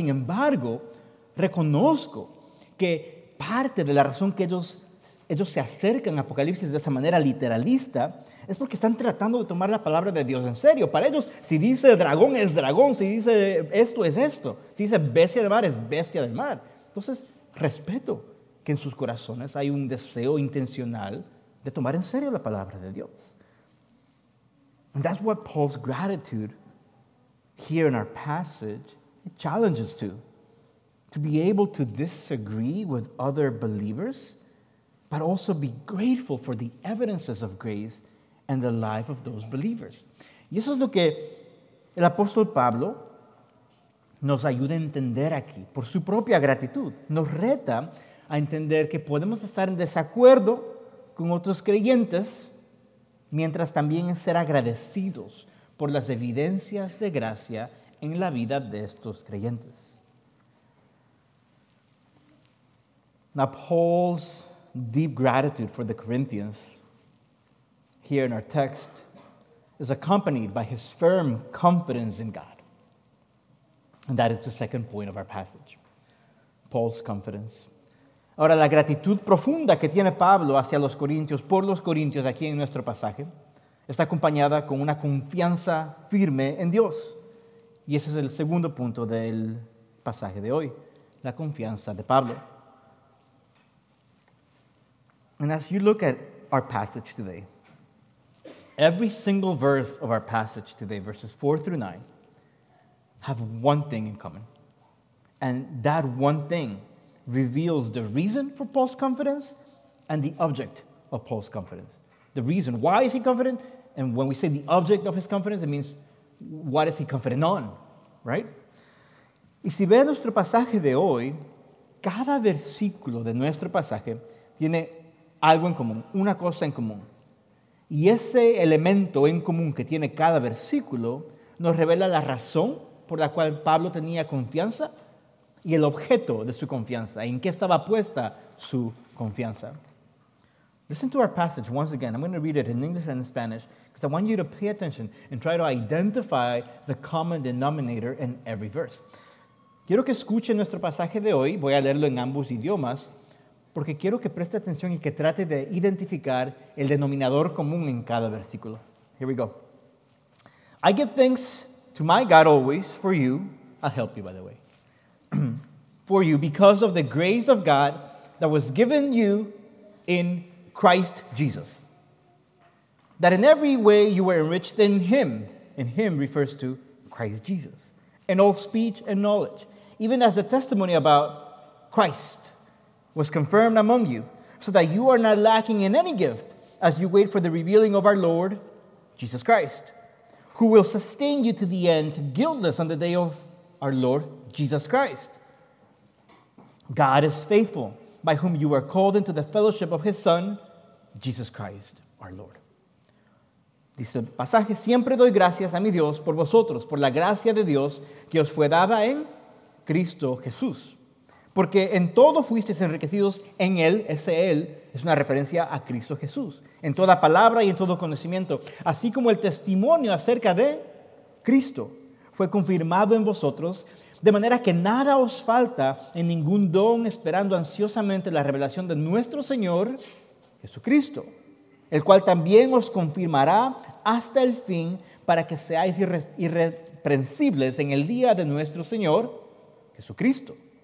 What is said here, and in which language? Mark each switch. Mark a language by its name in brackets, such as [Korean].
[Spanish] Sin embargo, reconozco que parte de la razón que ellos se acercan a Apocalipsis de esa manera literalista es porque están tratando de tomar la palabra de Dios en serio. Para ellos, si dice dragón, es dragón. Si dice esto, es esto. Si dice bestia del mar, es bestia del mar. Entonces, respeto que en sus corazones hay un deseo intencional de tomar en serio la palabra de Dios. [English] And that's what Paul's gratitude here in our passage challenges to be able to disagree with other believers, but also be grateful for the evidences of grace and the life of those believers. [Spanish] Y eso es lo que el apóstol Pablo nos ayuda a entender aquí, por su propia gratitud. Nos reta a entender que podemos estar en desacuerdo con otros creyentes, mientras también ser agradecidos por las evidencias de gracia en la vida de estos creyentes. [English] Now, Paul's deep gratitude for the Corinthians here in our text is accompanied by his firm confidence in God. And that is the second point of our passage, Paul's confidence. [Spanish] Ahora, la gratitud profunda que tiene Pablo hacia los corintios, por los corintios aquí en nuestro pasaje, está acompañada con una confianza firme en Dios. Y ese es el segundo punto del pasaje de hoy, la confianza de Pablo. [English] And as you look at our passage today, every single verse of our passage today, verses 4-9, have one thing in common. And that one thing reveals the reason for Paul's confidence and the object of Paul's confidence. The reason, why is he confident? And when we say the object of his confidence, it means what is he confident on, right? [Spanish] Y si ve nuestro pasaje de hoy, cada versículo de nuestro pasaje tiene algo en común, una cosa en común. Y ese elemento en común que tiene cada versículo nos revela la razón por la cual Pablo tenía confianza y el objeto de su confianza, en qué estaba puesta su confianza. [English] Listen to our passage once again. I'm going to read it in English and in Spanish because I want you to pay attention and try to identify the common denominator in every verse. [Spanish] Quiero que escuchen nuestro pasaje de hoy. Voy a leerlo en ambos idiomas porque quiero que preste atención y que trate de identificar el denominador común en cada versículo. [English] Here we go. I give thanks to my God always for you. I'll help you, by the way. For you, because of the grace of God that was given you in Christ Jesus, that in every way you were enriched in him, and him refers to Christ Jesus, in all speech and knowledge, even as the testimony about Christ was confirmed among you, so that you are not lacking in any gift as you wait for the revealing of our Lord Jesus Christ, who will sustain you to the end, guiltless on the day of our Lord Jesus Christ. God is faithful, by whom you are called into the fellowship of his Son, Jesus Christ, our Lord. [Spanish] Dice el pasaje, siempre doy gracias a mi Dios por vosotros, por la gracia de Dios que os fue dada en Cristo Jesús. Porque en todo fuisteis enriquecidos en Él, ese Él es una referencia a Cristo Jesús, en toda palabra y en todo conocimiento, así como el testimonio acerca de Cristo fue confirmado en vosotros, de manera que nada os falta en ningún don, esperando ansiosamente la revelación de nuestro Señor Jesucristo, el cual también os confirmará hasta el fin para que seáis irreprensibles en el día de nuestro Señor Jesucristo.